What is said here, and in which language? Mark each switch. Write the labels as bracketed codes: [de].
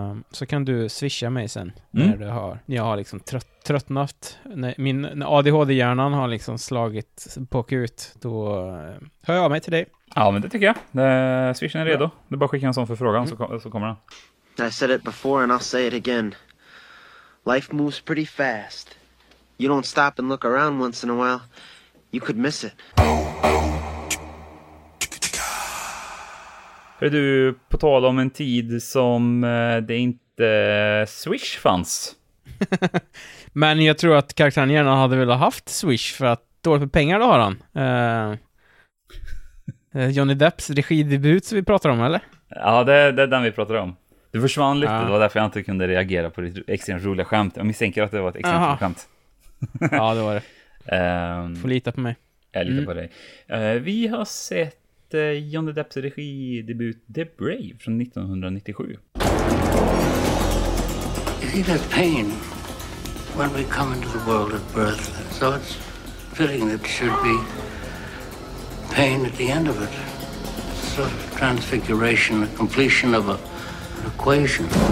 [sv] Så kan du swisha mig sen när du har. Jag har liksom tröttnat. När ADHD-hjärnan har liksom slagit på kut, då hör jag mig till dig. Ja, men det tycker jag. Swishen är redo. Ja. Det är bara skicka en sån för frågan så kommer den. [en] I said it before and I'll say it again. Life moves pretty fast. You don't stop and look around once in a while, you could miss it. [sv] Hör du, på tal om en tid som det inte Swish fanns. Men jag tror att karaktären gärna hade velat haft Swish, för att dåligt med pengar då har han. Johnny Depps regidebut som vi pratar om, eller? Ja, det är den vi pratar om. Du försvann lite, det var därför jag inte kunde reagera på ditt extremt roliga skämt. Jag misstänker att det var ett extremt roligt skämt. Ja, det var det. Får lita på mig. Jag litar på dig. Vi har sett Johnny Depps regidebut The Brave från 1997. [en] You feel pain when we come into the world at birth, so it's fitting that should be pain at the end of it. Sort of transfiguration, a completion of an equation.